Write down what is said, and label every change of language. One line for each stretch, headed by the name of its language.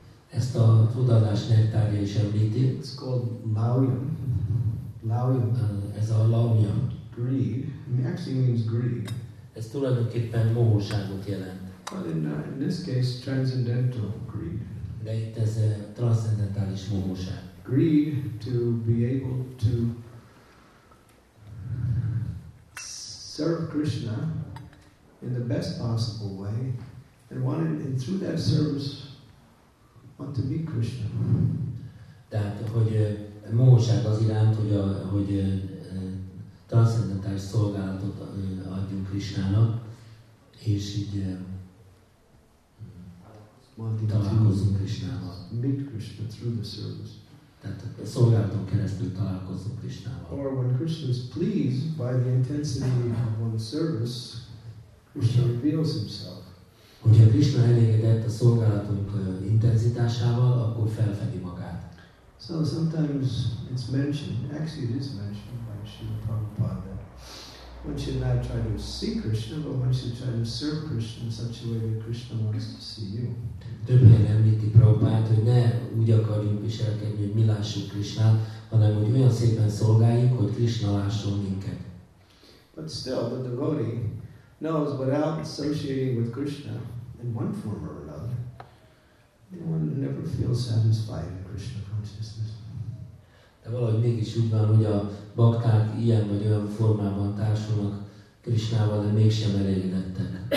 Hungarian: Ezt a tudatos nektárja is említi.
English: It's called Laum. Laum.
Hungarian: Ez a Laumja.
English: Greed. It actually means greed.
Hungarian: Ez tulajdonképpen mohóságot jelent.
English: But in this case, transcendental greed.
Hungarian: De itt ez a transzcendentális mohóság.
English: Greed to be able to serve Krishna in the best possible way, and wanted, and through that service, want to meet Krishna.
Hungarian: Tehát, hogy mohóság az iránt, hogy transzcendentális szolgálatot adjunk Krishnának, és így találkozzunk Krishnával.
English: Meet Krishna through the service.
Hungarian: Tehát a szolgálaton keresztül találkozunk Krishnával.
English: Or when Krishna is pleased by the intensity of one's service, Krishna reveals himself.
Hungarian: Hogyha Krishna elégedett a szolgálatunk intenzitásával, akkor felfedi magát.
English: So sometimes it's mentioned, actually it is mentioned by Srila Prabhupada, that one should not try to see Krishna, but one should try to serve Krishna in such a way that Krishna wants to see you.
Hungarian: Több helyen említi Prabhupát, hogy ne úgy akarjunk viselkedni, hogy mi lássuk Krishnát, hanem hogy olyan szépen szolgáljuk, hogy Krishna lásson minket.
English: But still, the devotee knows without associating with Krishna in one form or another, one never feels satisfied in Krishna consciousness.
Hungarian: De valahogy mégis úgy van, hogy a bakták ilyen vagy olyan formában társulnak Krishnával, de mégsem elégedettek.